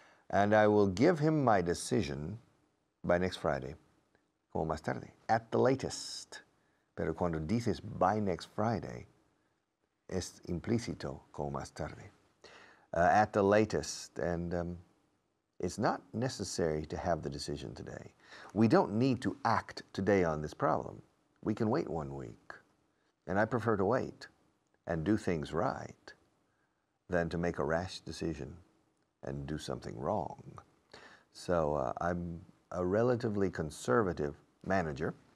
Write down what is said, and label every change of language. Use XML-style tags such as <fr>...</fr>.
<en>And I will give him my decision by next Friday,</en> <es>como más tarde,</es> <en>at the latest.</en> <es>Pero cuando dices</es> <en>by next Friday,</en> <es>es implícito como más tarde.</es> <en>At the latest, and it's not necessary to have the decision today. We don't need to act today on this problem. We can wait 1 week. And I prefer to wait and do things right than to make a rash decision and do something wrong. So I'm a relatively conservative manager,</en>